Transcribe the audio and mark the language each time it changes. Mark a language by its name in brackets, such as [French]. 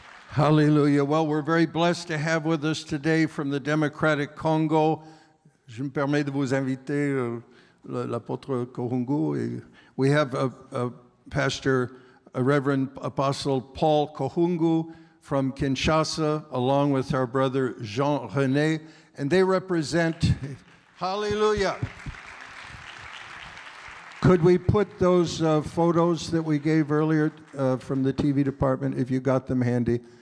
[English] Hallelujah. Well, we're very blessed to have with us today from the Democratic Congo. [French] Je me permets de vous inviter l'apôtre Kohungu. [English] We have a Reverend Apostle Paul Kohungu from Kinshasa, along with our brother Jean René, and they represent, hallelujah. Could we put those photos that we gave earlier from the TV department, if you got them handy?